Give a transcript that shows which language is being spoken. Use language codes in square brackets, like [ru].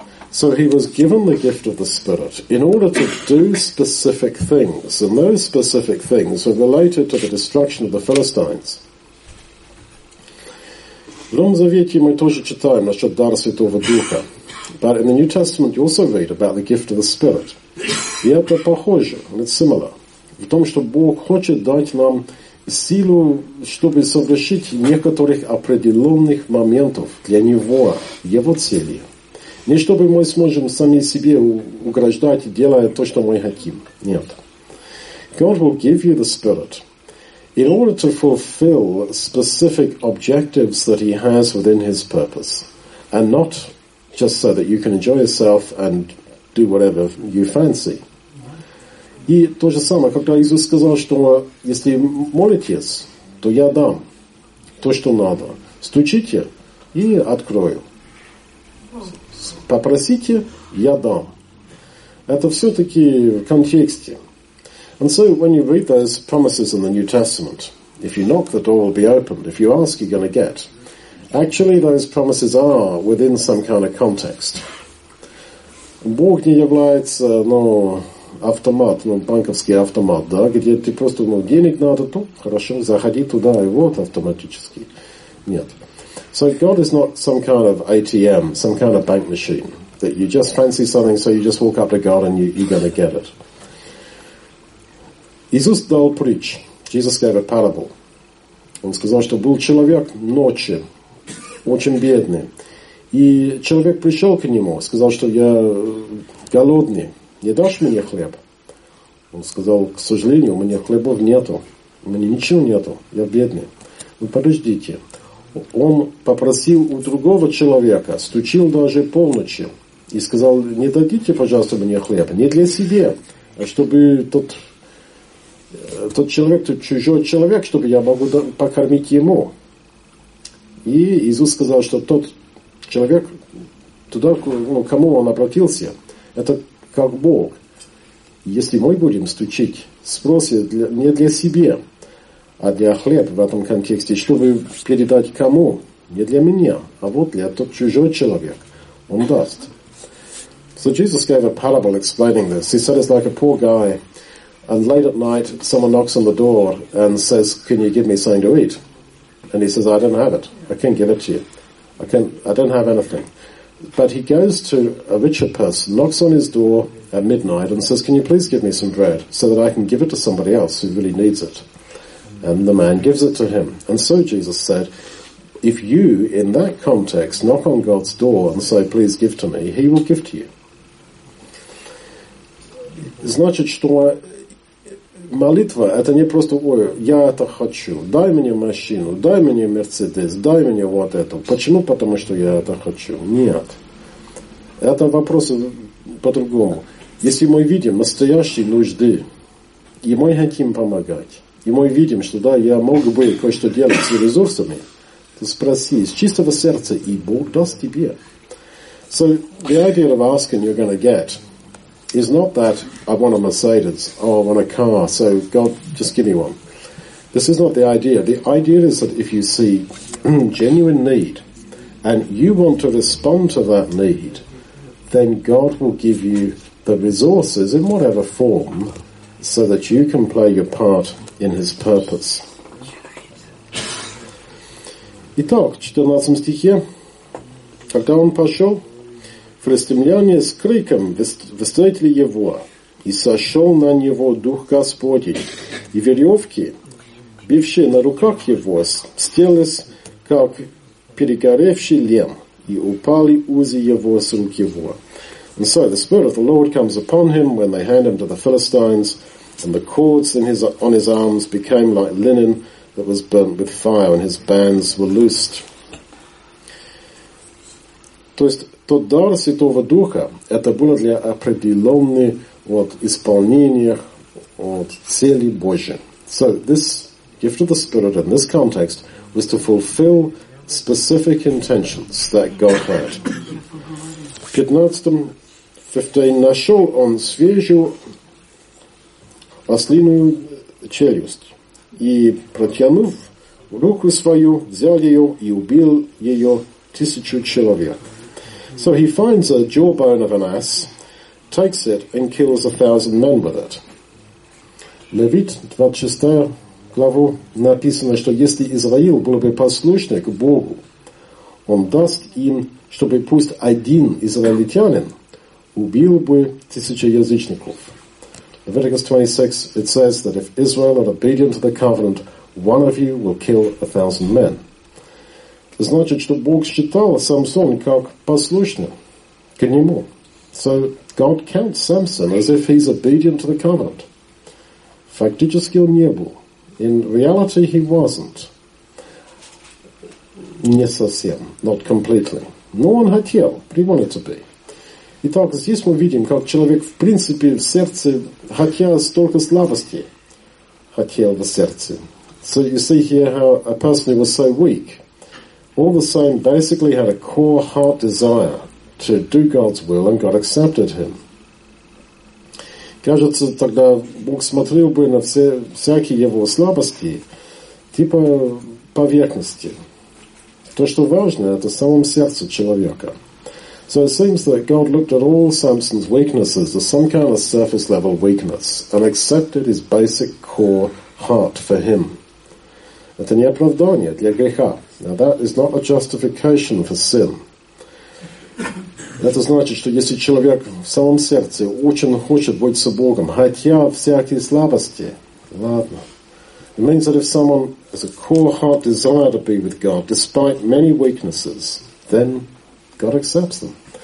[en] So he was given the gift of the Spirit in order to do specific things. And those specific things were related to the destruction of the Philistines. [ru] В Новом Завете мы тоже читаем насчет дара Святого Духа. [en] But in the New Testament you also read about the gift of the Spirit. [ru] И это похоже, [en] and it's similar. [ru] В том, что Бог хочет дать нам силу, чтобы совершить некоторых определенных моментов для Него, Его цели. Не чтобы мы сможем сами себе угрождать, делая то, что мы хотим. Нет. [en] God will give you the Spirit in order to fulfill specific objectives that He has within His purpose, and not just so that you can enjoy yourself and do whatever you fancy. [ru] И то же самое, когда Иисус сказал, что если молитесь, то я дам то, что надо. Стучите и открою. Попросите, я дам. Это все-таки в контексте. [en] And so when you read those promises in the New Testament, if you knock, the door will be opened. If you ask, you're going to get. Actually, those promises are within some kind of context. [ru] Бог не является, ну, автомат, ну, банковский автомат, да, где ты просто, ну, денег надо, то хорошо, заходи туда, и вот автоматически. Нет. [en] So God is not some kind of ATM, some kind of bank machine, that you just fancy something, so you just walk up to God and you're going to get it. [ru] Иисус дал притч. [en] Jesus gave a parable. [ru] Он сказал, что был человек ночи, очень бедный. И человек пришел к нему, сказал, что я голодный. Не дашь мне хлеб? Он сказал, к сожалению, у меня хлебов нету. У меня ничего нету. Я бедный. Ну, подождите. Он попросил у другого человека, стучил даже полночи. И сказал, не дадите, пожалуйста, мне хлеб. Не для себя, а чтобы тот человек, тот чужой человек, чтобы я могу покормить ему. И Иисус сказал, что тот человек, туда, кому он обратился, это как Бог. Если мы будем стучить, спросим не для себя, а для хлеба в этом контексте, чтобы передать кому? Не для меня, а вот для тот чужой человек. Он даст. [en] So Jesus gave a parable explaining this. He said it's like a poor guy, and late at night, someone knocks on the door and says, can you give me something to eat? And he says, I don't have it. I can't give it to you. I don't have anything. But he goes to a richer person, knocks on his door at midnight and says, can you please give me some bread so that I can give it to somebody else who really needs it? And the man gives it to him. And so Jesus said, if you, in that context, knock on God's door and say, please give to me, he will give to you. [ru] Значит, что молитва – это не просто, ой, я это хочу, дай мне машину, дай мне Мерседес, дай мне вот это. Почему? Потому что я это хочу. Нет. Это вопрос по-другому. Если мы видим настоящие нужды, и мы хотим помогать, и мы видим, что да, я мог бы кое-что делать с ресурсами, то спроси из чистого сердца, и Бог даст тебе. [en] So the idea of asking you're going to get is not that I want a Mercedes, oh, I want a car, so God, just give me one. This is not the idea. The idea is that if you see genuine need and you want to respond to that need, then God will give you the resources in whatever form so that you can play your part in His purpose. [ru] Итак, 14 стихе. Когда он пошел, филистимляне с криком встретили его, и сошел на него Дух Господень, и веревки, бившие на руках его, стелись, как перегоревший лен, и упали узы его с рук его. [en] And so the Spirit of the Lord comes upon him when they hand him to the Philistines, and the cords on his arms became like linen that was burnt with fire, and his bands were loosed. [ru] То есть, тот дар Святого Духа, это было для определенных вот, исполнения вот, цели Божьей. [en] So, this gift of the Spirit in this context was to fulfill specific intentions that God had. [ru] В 15-15 нашел он свежую ослиную челюсть и, протянув руку свою, взял ее и убил ее 1000 человек. [en] So he finds a jawbone of an ass, takes it, and kills 1,000 men with it. [ru] Левит 26 главу написано, что если Израиль был бы послушный к Богу, он даст им, чтобы пусть один израильтянин убил бы 1,000 язычников. [en] Leviticus 26, it says that if Israel are obedient to the covenant, one of you will kill 1,000 men. [ru] Значит, что Бог считал Самсон как послушным, к нему. [en] So God counts Samson as if he's obedient to the covenant. [ru] Фактически он не был. [en] In reality he wasn't. [ru] Не совсем. [en] Not completely. [ru] Но он хотел. [en] He wanted to be. [ru] Итак, здесь мы видим, как человек в принципе в сердце хотел столько слабости. Хотел в сердце. [en] So you see here how a person who was so weak all the same basically had a core heart desire to do God's will, and God accepted him. [ru] Кажется, тогда Бог смотрел бы на всякие его слабости, типа поверхности. То, что важно, это в самом сердце человека. [en] So it seems that God looked at all Samson's weaknesses as some kind of surface-level weakness and accepted his basic core heart for him. [ru] Это не оправдание для греха. [en] Now that is not a justification for sin. [ru] Это значит, что если человек в самом сердце очень хочет быть с Богом, хотя всякие слабости, ладно. [en] It means that if someone has a core heart desire to be with God, despite many weaknesses, then God accepts them.